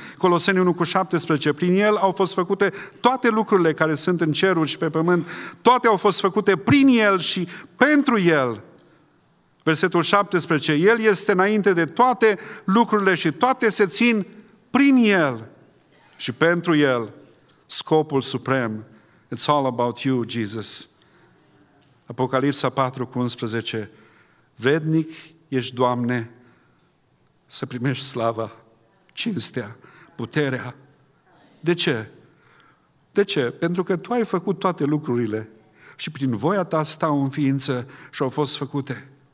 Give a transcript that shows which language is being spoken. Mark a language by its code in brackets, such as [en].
[ro] Coloseni 1:17, prin El au fost făcute toate lucrurile care sunt în ceruri și pe pământ, toate au fost făcute prin El și pentru El. Versetul 17, El este înainte de toate lucrurile și toate se țin prin El și pentru El. Scopul suprem, [en] it's all about you, Jesus. [ro] Apocalipsa 4:11, vrednic ești, Doamne, să primești slava, cinstea, puterea. De ce? De ce? Pentru că Tu ai făcut toate lucrurile și prin voia Ta stau în ființă și au fost făcute.